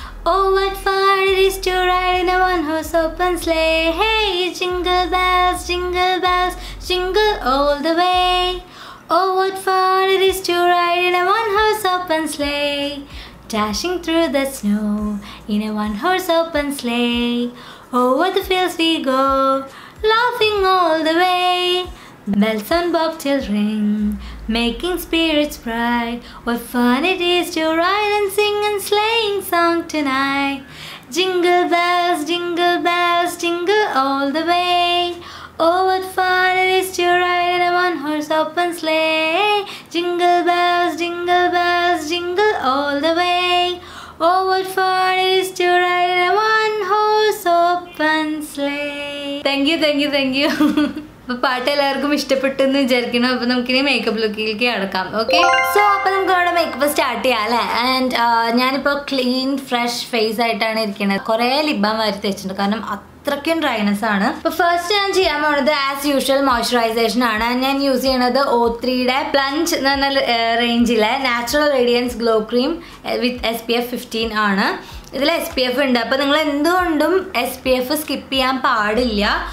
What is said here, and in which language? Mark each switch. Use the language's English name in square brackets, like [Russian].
[English] Oh what fun it is to ride in a one horse open sleigh hey jingle bells jingle bells jingle all the way Oh, what fun it is to ride in a one-horse open sleigh, dashing through the snow in a one-horse open sleigh. Over the fields we go, laughing all the way. Bells on bobtail ring, making spirits bright. What fun it is to ride and sing and sleighing song tonight. Jingle bells, jingle bells, jingle all the way. Oh, what fun it is to ride in a one-horse open sleigh. Jingle bells, jingle bells, jingle all the way. Oh, what fun it is to ride in a one-horse open sleigh. Thank you, thank you, thank you. [Malayalam] അപ്പോൾ പാട്ട് എല്ലാവർക്കും ഇഷ്ടപ്പെട്ടെന്ന് വിചാരിക്കണം അപ്പോൾ നമുക്കിനി makeup ലുക്കിലേക്ക് കടക്കാം okay so അപ്പോൾ നമുക്ക് അവിടെ മേക്കപ്പ് സ്റ്റാർട്ട് ചെയ്യാം അല്ലേ ആൻഡ് ഞാനിപ്പോൾ ക്ലീൻ ഫ്രഷ് ഫേസ് ആയിട്ടാണ് ഇരിക്കുന്നത് കുറേ ലിബാം വരുത്തി വെച്ചിട്ടുണ്ട് കാരണം അത്രയ്ക്കും ഡ്രൈനെസ് ആണ് അപ്പോൾ ഫസ്റ്റ് ഞാൻ ചെയ്യാൻ പോണത് [English] as usual [Malayalam] മോയ്സ്ചറൈസേഷൻ ആണ് ഞാൻ യൂസ് ചെയ്യണത് O3 പ്ലഞ്ച് എന്ന് പറഞ്ഞ റേഞ്ചിലെ നാച്ചുറൽ റേഡിയൻസ് ഗ്ലോ ക്രീം വിത്ത് SPF 15 ആണ് ഇതിൽ SPF ഉണ്ട് അപ്പോൾ നിങ്ങൾ എന്തുകൊണ്ടും SPF സ്കിപ്പ് ചെയ്യാൻ പാടില്ല